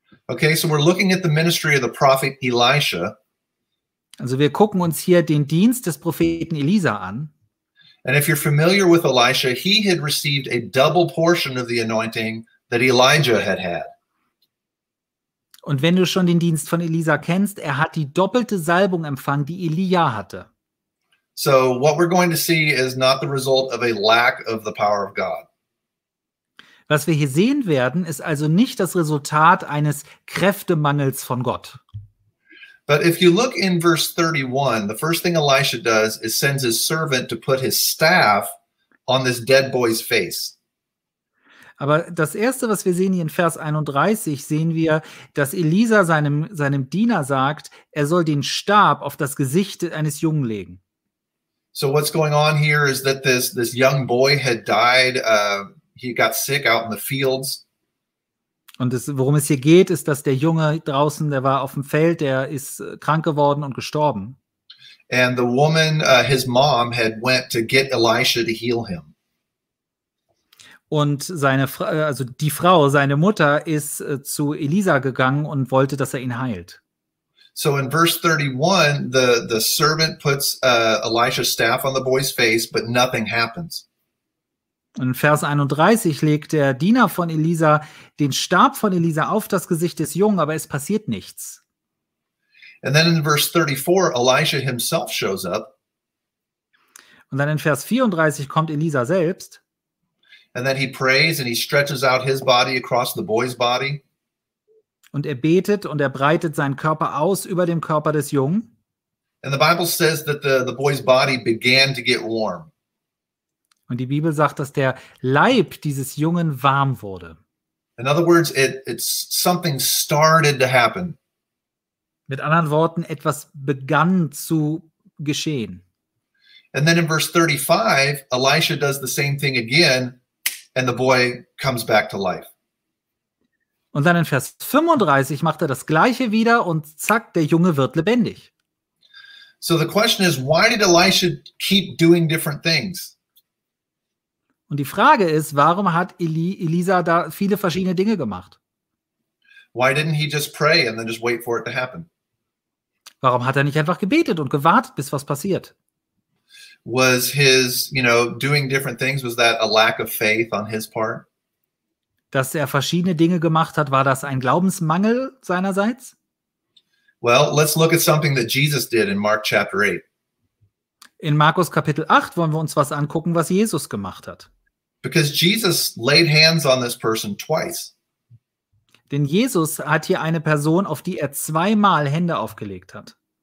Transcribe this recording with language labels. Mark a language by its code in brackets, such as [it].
[en] Okay, so we're looking at the ministry of the prophet Elisha. [de] Also wir gucken uns hier den Dienst des Propheten Elisa an. [en] And if you're familiar with Elisha, he had received a double portion of the anointing that Elijah had had. [de] Und wenn du schon den Dienst von Elisa kennst, er hat die doppelte Salbung empfangen, die Elia hatte. [en] So what we're going to see is not the result of a lack of the power of God. [de] Was wir hier sehen werden, ist also nicht das Resultat eines Kräftemangels von Gott. [en] But if you look in verse 31, the first thing Elisha does is sends his servant to put his staff on this dead boy's face. [de] Aber das erste, was wir sehen hier in Vers 31, sehen wir, dass Elisa seinem Diener sagt, er soll den Stab auf das Gesicht eines Jungen legen. [en] So what's going on here is that this young boy had died, he got sick out in the fields. [de] Und es, worum es hier geht, ist, dass der Junge draußen, der war auf dem Feld, der ist krank geworden und gestorben. [en] And the woman, his mom, had went to get Elisha to heal him. [de] Und seine, also die Frau, seine Mutter, ist zu Elisa gegangen und wollte, dass er ihn heilt. [en] So in verse 31, the servant puts Elisha's staff on the boy's face, but nothing happens. [de] In Vers 31 legt der Diener von Elisa den Stab von Elisa auf das Gesicht des Jungen, aber es passiert nichts. [en] And then in verse 34, Elisha himself shows up. [de] Und dann in Vers 34 kommt Elisa selbst. [en] And then he prays and he stretches out his body across the boy's body. [de] Und er betet und er breitet seinen Körper aus über dem Körper des Jungen. [en] And the Bible says that the boy's body began to get warm. [de] Und die Bibel sagt, dass der Leib dieses Jungen warm wurde. [en] In other words, it's something started to happen. [de] Mit anderen Worten, etwas begann zu geschehen. [en] And then in verse 35, Elisha does the same thing again and the boy comes back to life. [de] Und dann in Vers 35 macht er das Gleiche wieder und zack, der Junge wird lebendig. [en] So the question is, why did Elisha keep doing different things? [de] Und die Frage ist, warum hat Elisa da viele verschiedene Dinge gemacht? [en] Why didn't he just pray and then just wait for it to happen? [de] Warum hat er nicht einfach gebetet und gewartet, bis was passiert? [en] Was his, you know, doing different things, was that a lack of faith on his part? [de] Dass er verschiedene Dinge gemacht hat, war das ein Glaubensmangel seinerseits? [en] Well, let's look at something that Jesus did in Mark chapter 8. [de] In Markus Kapitel 8 wollen wir uns was angucken, was Jesus gemacht hat. [en] Because Jesus laid hands on this person twice. [de] Denn Jesus hat hier eine Person, auf die er zweimal Hände aufgelegt hat.